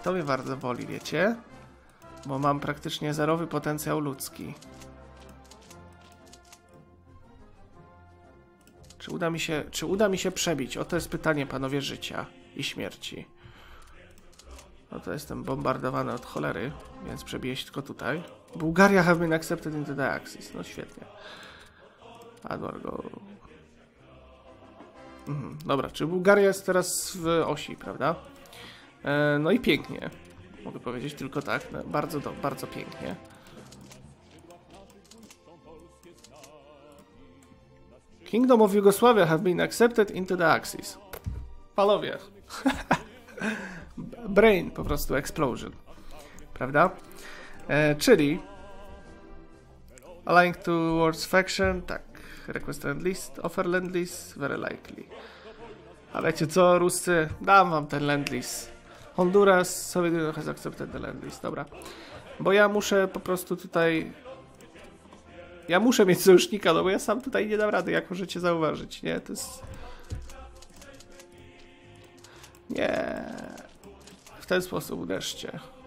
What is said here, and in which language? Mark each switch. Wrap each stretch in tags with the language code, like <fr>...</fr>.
<pl>To mnie bardzo boli, wiecie? Bo mam praktycznie zerowy potencjał ludzki. Czy uda mi się przebić? Oto jest pytanie, panowie życia i śmierci. Oto jestem bombardowany od cholery, więc przebiję się tylko tutaj.</pl> <en>Bułgaria have been accepted into the Axis.</en> <pl>No świetnie. Adwargo. Dobra, czy Bułgaria jest teraz w osi, prawda? No i pięknie. Mogę powiedzieć tylko tak. No, bardzo pięknie.</pl> <en>Kingdom of Yugoslavia have been accepted into the Axis.</en> <pl>Panowie. Brain po prostu explosion. Prawda? Czyli...</pl> <en>Aligned towards faction,</en> <pl>tak.</pl> <en>Request Land Lease, Offer Land Lease, Very Likely.</en> <pl>A wiecie co, Ruscy, dam wam ten Land Lease.</pl> <en>Honduras, Soviet Union has accepted the Land Lease,</en> <pl>dobra. Bo ja muszę po prostu tutaj... Ja muszę mieć sojusznika, no bo ja sam tutaj nie dam rady, jak możecie zauważyć, nie? To jest... Nie... W ten sposób uderzcie.</pl>